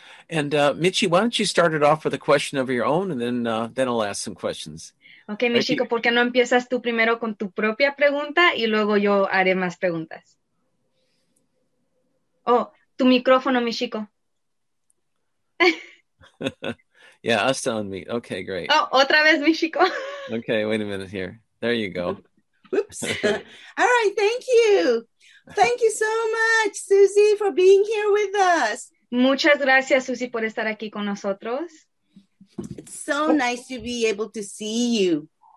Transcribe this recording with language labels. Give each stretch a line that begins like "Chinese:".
English: And Michi, why don't you start it off with a question of your own, and then I'll ask some questions.
Spanish: Okay, Michiko, ¿por qué no empiezas tú primero con tu propia pregunta y luego yo haré más preguntas? Oh, tu micrófono, Michiko.
English: Yeah, us to unmute. Okay, great.
Spanish: Oh, otra vez, Michiko.
English: Okay, wait a minute here. There you go. Whoops. All right, thank you. Thank you so much, Susie, for being here with us.
Spanish: Muchas gracias, Susie, por estar aquí con nosotros.
English: It's so nice to be able to see you.